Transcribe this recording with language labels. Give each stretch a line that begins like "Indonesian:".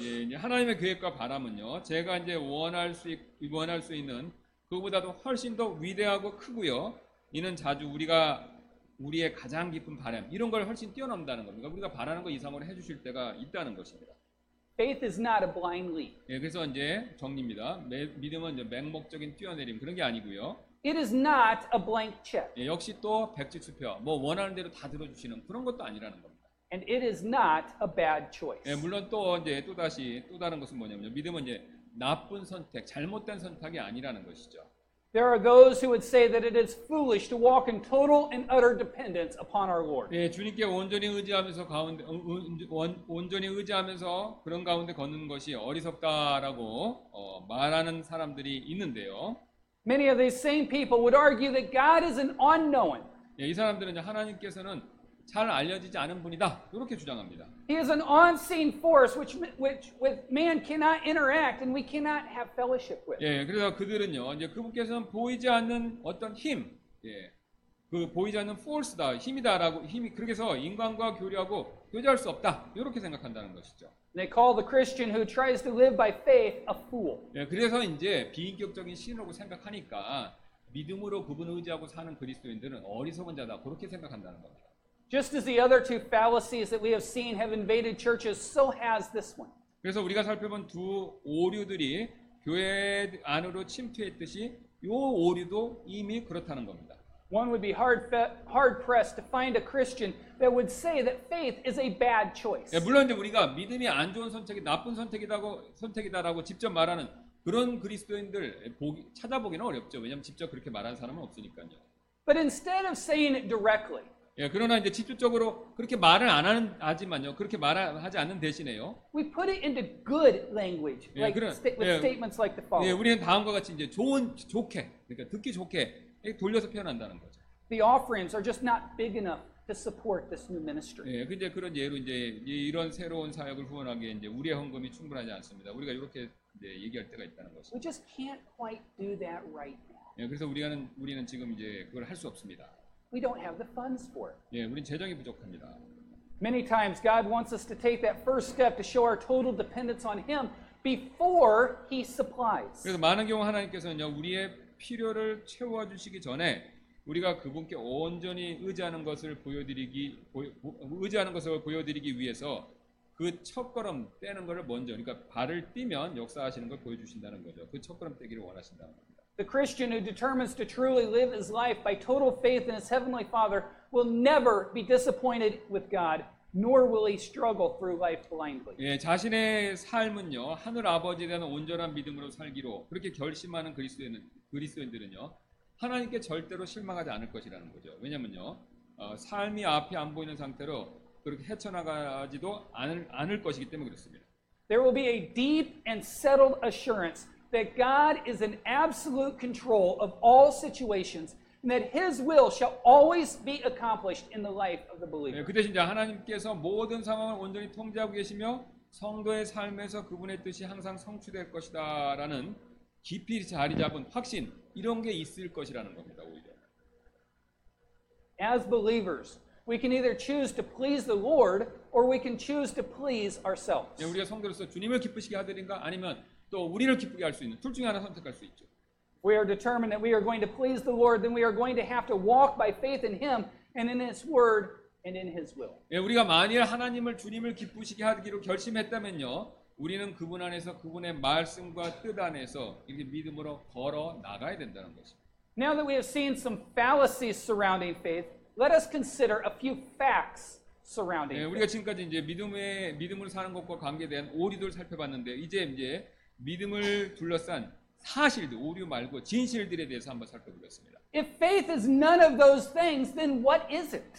Korean: 예, 이제 하나님의 계획과 바람은요. 제가 이제 원할 수 있는 그보다도 훨씬 더 위대하고 크고요. 이는 자주 우리의 가장 깊은 바람 이런 걸 훨씬 뛰어넘다는 겁니다. 우리가 바라는 거 이상으로 해주실 때가 있다는 것입니다.
English: Faith is not a blind leap.
Korean: 예, 그래서 이제 정리입니다. 믿음은 이제 맹목적인 뛰어내림 그런 게 아니고요.
English: It is not a blank check.
Korean: 예, 역시 또 백지 수표. 뭐 원하는 대로 다 들어주시는 그런 것도 아니라는 겁니다.
English: And it is not a bad choice.
Korean: 예, 물론 또 이제 또 다른 것은 뭐냐면 믿음은 이제 나쁜 선택, 잘못된 선택이 아니라는 것이죠.
English: There are those who would say that it is foolish to walk in total and utter dependence upon our Lord.
Korean: 예, 주님께 온전히 의지하면서 가운데 온전히 의지하면서 그런 가운데 걷는 것이 어리석다라고 말하는 사람들이 있는데요.
English: Many of these same people would argue that God is an unknown.
Korean: 예, 이 사람들은 하나님께서는 잘 알려지지 않은 분이다. 이렇게 주장합니다.
English: He is an unseen force which with man cannot interact and we cannot have fellowship with.
Korean: 예, 그래서 그들은요. 이제 그분께서는 보이지 않는 어떤 힘. 예. 그 보이지 않는 force다. 힘이다라고 힘이 그래서 인간과 교류하고 교제할 수 없다. 이렇게 생각한다는 것이죠.
English: They call the Christian who tries to live by faith a fool.
Korean: 예, 그래서 이제 비인격적인 신으로 생각하니까 믿음으로 그분을 의지하고 사는 그리스도인들은 어리석은 자다. 그렇게 생각한다는 겁니다.
English: Just as the other two fallacies that we have seen have invaded churches, so has this one.
Korean: 그래서 우리가 살펴본 두 오류들이 교회 안으로 침투했듯이 요 오류도 이미 그렇다는 겁니다.
English: One would be hard pressed to find a Christian that would say that faith is a bad choice.
Korean: 예, 물론 이제 우리가 믿음이 안 좋은 선택이 나쁜 선택이다라고 직접 말하는 그런 그리스도인들 찾아보기는 어렵죠. 왜냐면 직접 그렇게 말하는 사람은 없으니까요.
English: But instead of saying it directly.
Korean: 예, 그러나 이제 직접적으로 그렇게 말을 안 하는 하지만요. 그렇게 말하지 않는 대신에요.
English: We put it into good language. 예, like
Korean: 그런,
English: with 예, statements like the following.
Korean: 예, 우리는 다음과 같이 이제 좋은 좋게 그러니까 듣기 좋게 돌려서 표현한다는 거죠.
English: The offerings are just not big enough to support this new ministry.
Korean: 예, 근데 그런 예로 이제 이런 새로운 사역을 후원하기에 이제 우리의 헌금이 충분하지 않습니다. 우리가 이렇게 이제 얘기할 때가 있다는 거죠.
English: We just can't quite do that right now.
Korean: 예, 그래서 우리는 지금 이제 그걸 할 수 없습니다.
English: We don't have the funds for it.
Korean: 예, 우리는 재정이 부족합니다.
English: Many times God wants us to take that first step to show our total dependence on Him before He supplies.
Korean: 그래서 많은 경우 하나님께서는요 우리의 필요를 채워 주시기 전에 우리가 그분께 온전히 의지하는 것을 보여드리기 위해서 그 첫걸음 떼는 것을 먼저 그러니까 발을 떼면 역사하시는 걸 보여주신다는 거죠. 그 첫걸음 떼기를 원하신다는 겁니다.
English: The Christian who determines to truly live his life by total faith in his heavenly Father will never be disappointed with God, nor will he struggle through life blindly.
Korean: 예, 자신의 삶은요 하늘 아버지에 대한 온전한 믿음으로 살기로 그렇게 결심하는 그리스도인들은요 하나님께 절대로 실망하지 않을 것이라는 거죠. 왜냐면요 삶이 앞에 안 보이는 상태로 그렇게 헤쳐나가지도 않을 것이기 때문에 그렇습니다.
English: There will be a deep and settled assurance that God is in absolute control of all situations and that His will shall always be accomplished in the life of the believer.
Korean: 예, 그 대신 이제 하나님께서 모든 상황을 온전히 통제하고 계시며 성도의 삶에서 그분의 뜻이 항상 성취될 것이다 라는 깊이 자리 잡은 확신 이런 게 있을 것이라는 겁니다. 오히려.
English: As believers, we can either choose to please the Lord or we can choose to please ourselves.
Korean: 예, 우리가 성도로서 주님을 기쁘시게 하든가 아니면 또 우리를 기쁘게 할 수 있는 둘 중에 하나 선택할 수 있죠.
English: We are determined that we are going to please the Lord, then we are going to have to walk by faith in Him and in His word and in His will.
Korean: 예, 우리가 만일 하나님을 주님을 기쁘시게 하기로 결심했다면요. 우리는 그분 안에서 그분의 말씀과 뜻 안에서 이렇게 믿음으로 걸어 나가야 된다는 것입니다.
English: Now that we have seen some fallacies surrounding faith, let us consider a few facts surrounding faith.
Korean: 네, 우리가 지금까지 이제 믿음으로 사는 것과 관계된 오류들을 살펴봤는데 이제 믿음을 둘러싼 사실들, 오류 말고 진실들에 대해서 한번 살펴보겠습니다.
English: If faith is none of those things, then what is it?